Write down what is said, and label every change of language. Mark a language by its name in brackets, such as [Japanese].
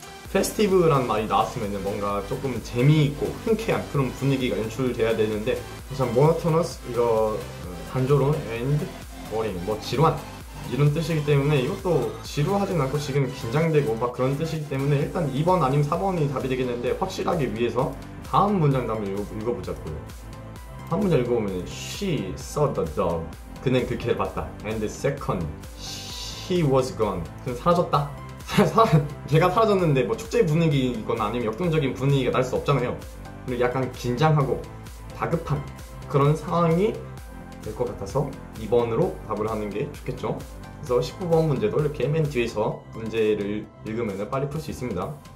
[Korean] 페스티브란 말이 나왔으면 뭔가 조금 재미있고 흔쾌한 그런 분위기가 연출돼야 되는데 우선 monotonous 이거 단조로 and boring 뭐 지루한 이런 뜻이기 때문에 이것도 지루하진 않고 지금 긴장되고 막 그런 뜻이기 때문에 일단 2번 아니면 4번이 답이 되겠는데 확실하게 위해서 다음 문장도 한번 읽어보자고요. 한 문장 읽어보면 [English] She saw the dog. [Korean] 그는 그 개를 봤다. [English] And the second, he was gone. [Korean] 그는 사라졌다. 걔가 사라졌는데 뭐 축제 분위기거나 아니면 역동적인 분위기가 날 수 없잖아요. 그리고 약간 긴장하고 다급한 그런 상황이 될 것 같아서 2번으로 답을 하는 게 좋겠죠. 그래서 19번 문제도 이렇게 맨 뒤에서 문제를 읽으면 빨리 풀 수 있습니다.